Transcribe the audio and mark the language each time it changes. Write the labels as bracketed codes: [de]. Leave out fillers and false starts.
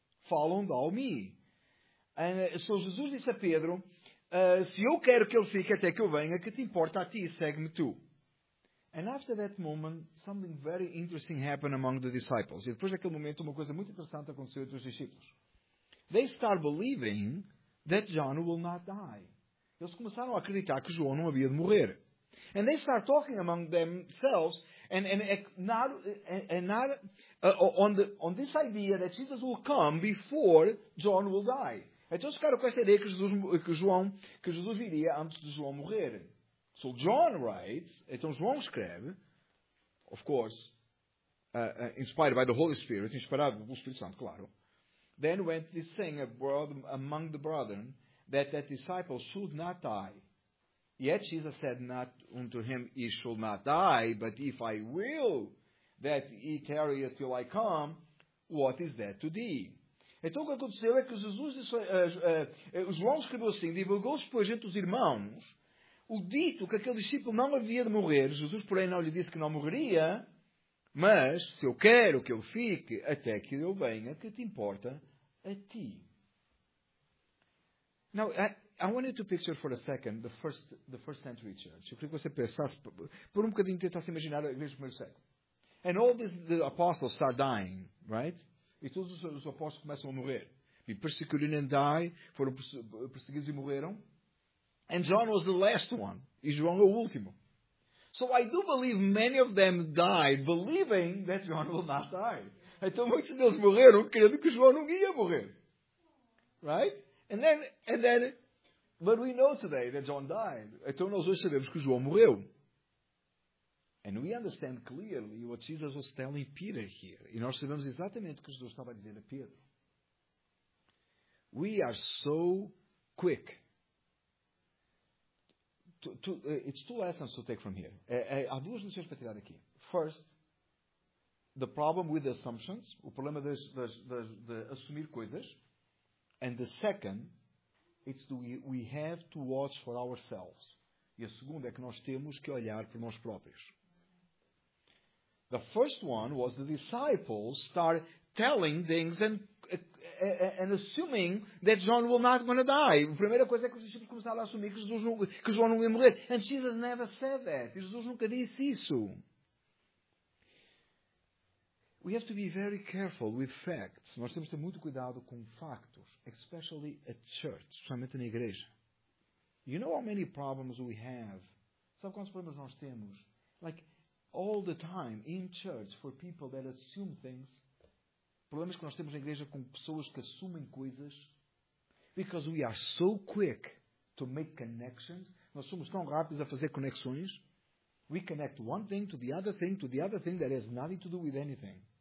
[en] Follow thou me. And so [pt] Jesus disse a Pedro, se eu quero que ele fique até que eu venha, que te importa a ti, segue-me tu. [en] And after that moment, something very interesting happened among the disciples. [pt] E depois daquele momento, uma coisa muito interessante aconteceu entre os discípulos. [en] They start believing that John will not die. [pt] Eles começaram a acreditar que João não havia de morrer. [en] And they start talking among themselves on this idea that Jesus will come before John will die. [pt] Então ficaram com essa ideia que Jesus viria antes de João morrer. [en] So John writes, [pt] então João escreve, [en] of course, inspired by the Holy Spirit, [pt] inspirado pelo Espírito Santo, claro, [en] then went this thing abroad among the brethren that disciple should not die. Yet Jesus said not unto him, he shall not die, but if I will that he tarry till I come, what is that to thee? [pt] Então o que aconteceu é que Jesus disse, João escreveu assim, divulgou-se depois entre os irmãos, o dito que aquele discípulo não havia de morrer, Jesus, porém, não lhe disse que não morreria, mas se eu quero que ele fique até que eu venha, que te importa a ti? [en] Now, I want you to picture for a second the first century church. [pt] Eu queria que você pensasse, por um bocadinho, tentasse imaginar a igreja do primeiro século. [en] And all the apostles start dying, right? [pt] E todos os apóstolos começam a morrer. [en] E persecuted and died, [pt] foram perseguidos e morreram. And John was the last one. E João é o último. [en] So I do believe many of them died believing that John will not die. [pt] Então muitos deles morreram crendo que João não ia morrer. [en] Right? And then, but we know today that John died. [pt] Então nós hoje sabemos que João morreu. [en] And we understand clearly what Jesus was telling Peter here. [pt] E nós sabemos exatamente o que Jesus estava a dizer a Pedro. [en] We are so quick. It's two lessons to take from here. [pt] Há duas lições para tirar aqui. [en] First, the problem with the assumptions, [pt] o problema de assumir coisas. [en] And the second, it's we have to watch for ourselves. [pt] E a segunda é que nós temos que olhar por nós próprios. [en] The first one was the disciples start telling things and assuming that John will not going to die. [pt] A primeira coisa é que os discípulos começaram a assumir que João não ia morrer. [en] And Jesus never said that. [pt] Jesus nunca disse isso. [en] We have to be very careful with facts. [pt] Nós temos de ter muito cuidado com factos. [en] Especially a church. [pt] Especialmente na igreja. [en] You know how many problems we have? [pt] Sabe quantos problemas nós temos? [en] Like, all the time in church for people that assume things. [pt] Problemas que nós temos na igreja com pessoas que assumem coisas. [en] Because we are so quick to make connections. [pt] Nós somos tão rápidos a fazer conexões. [en] We connect one thing to the other thing to the other thing that has nothing to do with anything.